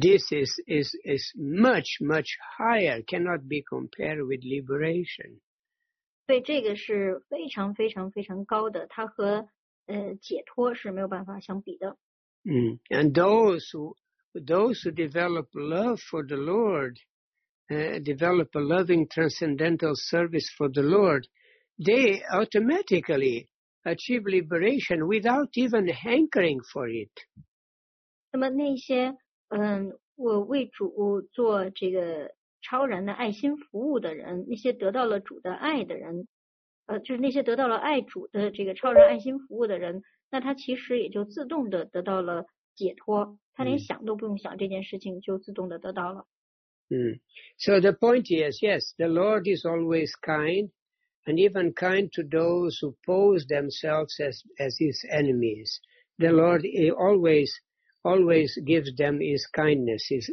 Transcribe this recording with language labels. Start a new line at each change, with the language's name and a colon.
English: This is much much higher, cannot be compared with liberation.
Chinese: 对，这个是非常非常非常高的，它和解脱是没有办法相比的。
English: And those who develop love for the Lord, develop a loving transcendental service for the Lord, they automaticallyachieve liberation without even hankering for it.
Chinese: 那么那些我为主做这个超然的爱心服务的人，那些得到了主的爱的人，就是那些得到了爱主的这个超然爱心服务的人，那他其实也就自动的得到了解脱，他连想都不用想这件事情就自动的得到了。
English: So the point is, yes, the Lord is always kind. And even kind to those who pose themselves as his enemies. The Lord always gives them his kindness.